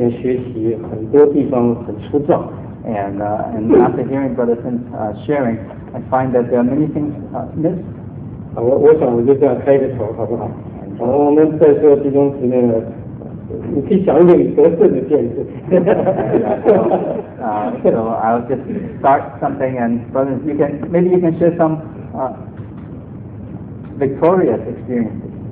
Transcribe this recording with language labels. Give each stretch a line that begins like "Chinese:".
Chinese: 这是我觉得这次曾弟兄讲座分享里面感觉在主面前学习很多地方很粗糙
English: and after hearing Brother Finn's sharing, I find that there are many things missed.
Chinese: 我想我就这样开个头好不好 我们在这弟兄姊妹呢
English: so I'll just start something, and brothers, you can maybe you can share some victorious experiences.